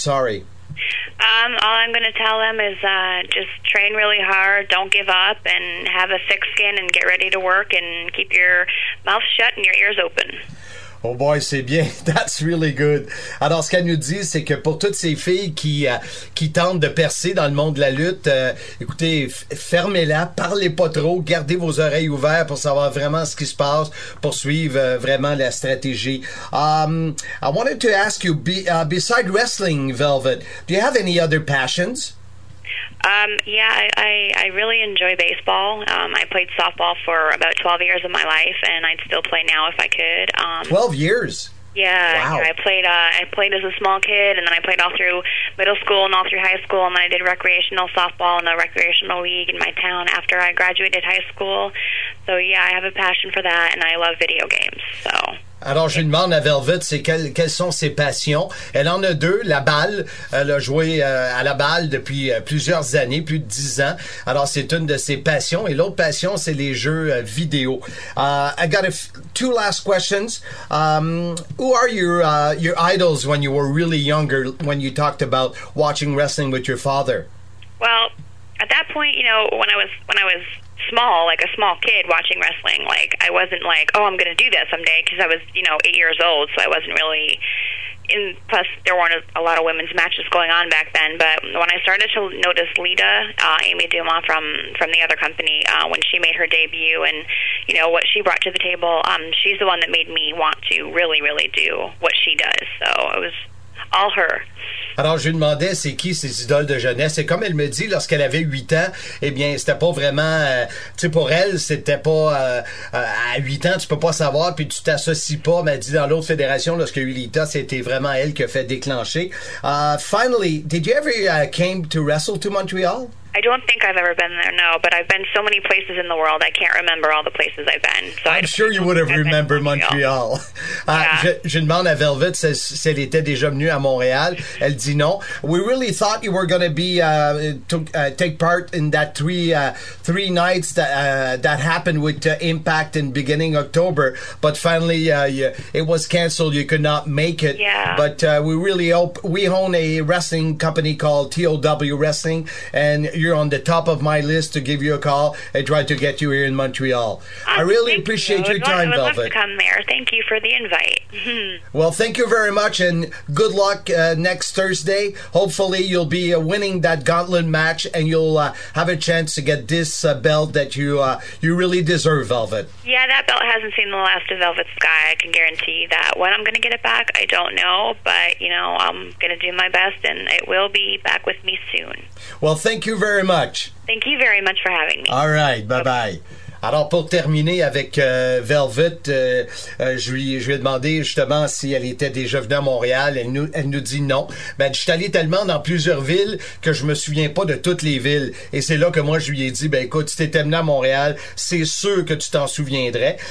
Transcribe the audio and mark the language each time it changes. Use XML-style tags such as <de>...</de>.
<en>Sorry. All I'm going to tell them is just train really hard, don't give up, and have a thick skin, and get ready to work, and keep your mouth shut and your ears open. Oh boy,</en> <fr>c'est bien.</fr> <en>That's really good.</en> <fr>Alors, ce qu'elle nous dit, c'est que pour toutes ces filles qui tentent de percer dans le monde de la lutte, écoutez, fermez-la, parlez pas trop, gardez vos oreilles ouvertes pour savoir vraiment ce qui se passe, pour suivre vraiment la stratégie.</fr> <en>I wanted to ask you, beside wrestling, Velvet, do you have any other passions? I really enjoy baseball. I played softball for about 12 years of my life, and I'd still play now if I could. 12 years? Yeah. Wow. I played as a small kid, and then I played all through middle school and all through high school, and then I did recreational softball in the recreational league in my town after I graduated high school. So, yeah, I have a passion for that, and I love video games, so...</en> <fr>Alors, je lui demande à Velvet, c'est quelles sont ses passions. Elle en a deux, la balle. Elle a joué à la balle depuis plusieurs années, plus de 10 ans. Alors, c'est une de ses passions. Et l'autre passion, c'est les jeux vidéo.</fr> <en>I got two last questions. Who are your idols when you were really younger, when you talked about watching wrestling with your father? Well, at that point, you know, when I was small, like a small kid watching wrestling, like I wasn't like, oh, I'm gonna do this someday, because I was, you know, 8 years old, so I wasn't really in. Plus there weren't a lot of women's matches going on back then. But when I started to notice Lita, Amy Dumas from the other company, when she made her debut, and you know what she brought to the table, she's the one that made me want to really, really do what she does. So it was all her.</en> <fr>Alors, je lui demandais, c'est qui ses idoles de jeunesse? Et comme elle me dit, lorsqu'elle avait 8 ans, eh bien, c'était pas vraiment... tu sais, pour elle, c'était pas... à 8 ans, tu peux pas savoir, puis tu t'associes pas. Mais elle dit, dans l'autre fédération, lorsqu'il y a eu Lita, c'était vraiment elle qui a fait déclencher.</fr> <en>Finally, did you ever came to wrestle to Montreal? I don't think I've ever been there, no. But I've been so many places in the world, I can't remember all the places I've been. So I'm sure you would have remembered Montreal.</en> <fr>Je demande à Velvet si elle était déjà venue à Montréal. Elle dit non.</fr> <en>We really thought you were going to be take part in that three nights that happened with Impact in beginning October. But finally, it was canceled. You could not make it. Yeah. But we really hope. We own a wrestling company called TOW Wrestling, and you're on the top of my list to give you a call and try to get you here in Montreal. I really appreciate your time, Velvet. I would love to come there. Thank you for the invite. Well, thank you very much, and good luck next Thursday. Hopefully, you'll be winning that gauntlet match, and you'll have a chance to get this belt that you really deserve, Velvet. Yeah, that belt hasn't seen the last of Velvet's sky. I can guarantee that. When I'm going to get it back, I don't know, but, you know, I'm going to do my best, and it will be back with me soon. Well, thank you very much. Thank you very much for having me. All right, bye-bye.</en> <fr>Alors, pour terminer avec Velvet, je lui ai demandé justement si elle était déjà venue à Montréal. Elle nous dit non. Ben, je suis allé tellement dans plusieurs villes que je me souviens pas de toutes les villes. Et c'est là que moi, je lui ai dit, ben écoute, si t'étais venu à Montréal, c'est sûr que tu t'en souviendrais.</fr>